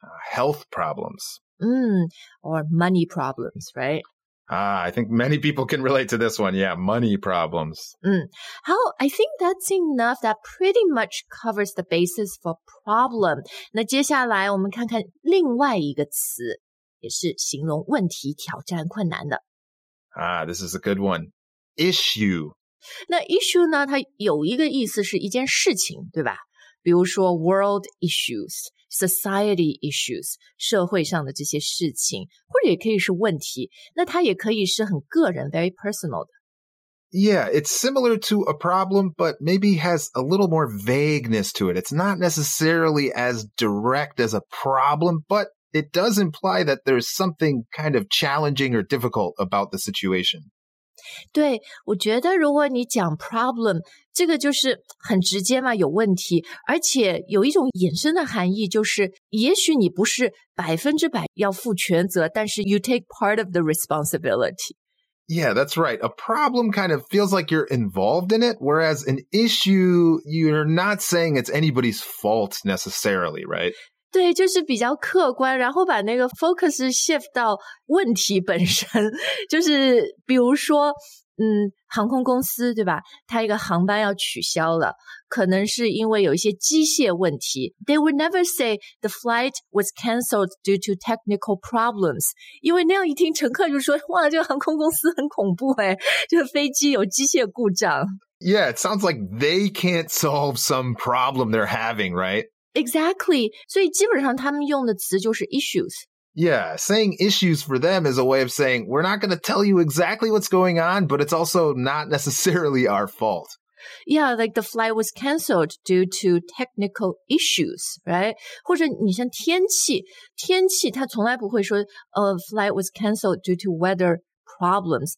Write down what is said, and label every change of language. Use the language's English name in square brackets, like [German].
[English] Health problems. Or money problems, right? I think many people can relate to this one. Yeah, money problems. How, I think that's enough. That pretty much covers the basis for problem. [Chinese] 那接下来我们看看另外一个词，也是形容问题、挑战、困难的。 [English] This is a good one. Issue. [Chinese] 那 issue 呢，它有一个意思是一件事情，对吧？比如说 [English] world issues, society issues, [Chinese] 社会上的这些事情或者也可以是问题那它也可以是很个人 [English] very personal [Chinese] 的。 [English] Yeah, it's similar to a problem, but maybe has a little more vagueness to it. It's not necessarily as direct as a problem, but it does imply that there's something kind of challenging or difficult about the situation. [Chinese] 对，我觉得如果你讲 problem, 这个就是很直接嘛，有问题，而且有一种衍生的含义，就是也许你不是百分之百要负全责，但是 [English] you take part of the responsibility. Yeah, that's right. A problem kind of feels like you're involved in it, whereas an issue, you're not saying it's anybody's fault necessarily, right? [Chinese] 对，就是比较客观，然后把那个 [English] focus shift [Chinese] 到问题本身，就是比如说航空公司对吧，它一个航班要取消了，可能是因为有一些机械问题。 [English] They would never say the flight was cancelled due to technical problems， [Chinese] 因为那样一听乘客就说哇，这个航空公司很恐怖诶，这个飞机有机械故障。 [English] Yeah, it sounds like they can't solve some problem they're having, right? Exactly, [Chinese] 所以基本上他们用的词就是 issues。 [English] Yeah, saying issues for them is a way of saying, we're not going to tell you exactly what's going on, but it's also not necessarily our fault. Yeah, like the flight was canceled due to technical issues, right? [Chinese] 或者你像天气它从来不会说 [English] flight was canceled due to weather problems.